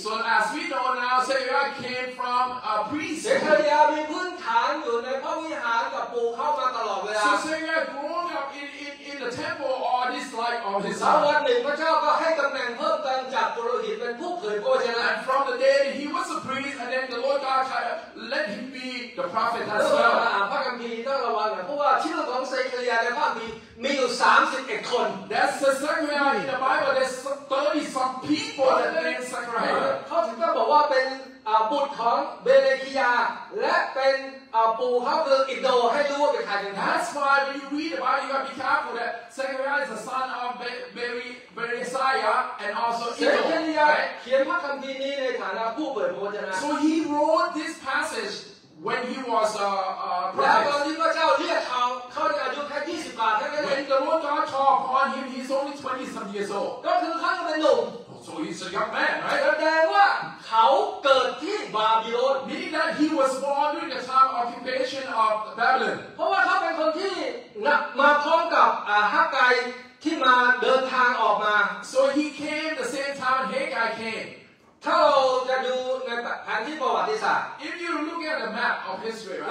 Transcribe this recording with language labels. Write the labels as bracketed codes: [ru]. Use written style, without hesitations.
[en] So as we know now Zechariah came from a priest [th] เซคาริยามีพื้นฐานอยู่ในพระวิหารกับปู่เขามาตลอดเวลา [en] So Zechariah grew up in the temple all this life of his life [th] วันหนึ่งพระเจ้าก็ให้ตำแหน่งเพิ่มเติมจากปุโรหิตเป็นผู้เผยพระวจนะ [en] From the day he was a priest and then the Lord God tried let him be the prophet as well [th] เราต้องอ่านพระคัมภีร์ต้องระวังนะเพราะว่าชื่อของเซคาริยาในพระคัมภีร์มีอยู่31คน [en] That's the Zechariah in the Bible there's 30 some people that name Zechariah [th] เขาถึงต้องบอกว่าเป็นบุตรของเบเลคิยาและเป็นปู่เขาคืออิโดให้รู้ว่าเป็นใครกันแน่ [en] That's why when you read about you gotta be careful that Zechariah is the son of Berechiah and also Ido [th] เซคาริยาเขียนพระคัมภีร์นี้ในฐานะผู้เผยพระวจนะ [en] So he wrote this passage when he was a prophet [th] แล้วตอนที่พระเจ้าเรียกเขาเขาอายุแค่20ปีเท่านั้นเอง [en] When the Lord God called upon him he's only 20 some years old [th] ก็คือเขาเป็นหนุ่ม [en] So he's a young man, right? [th] แสดงว่าเขาเกิดที่บาบิโลน [en] Meaning that he was born during the time of occupation of Babylon. [th] เพราะว่าเขาเป็นคนที่มาพร้อมกับฮักไกที่มาเดินทางออกมา [en] So he came the same time Haggai came. [th] ถ้าเราจะดูในแผนที่ประวัติศาสตร์ [en] If you look at the map of history, right?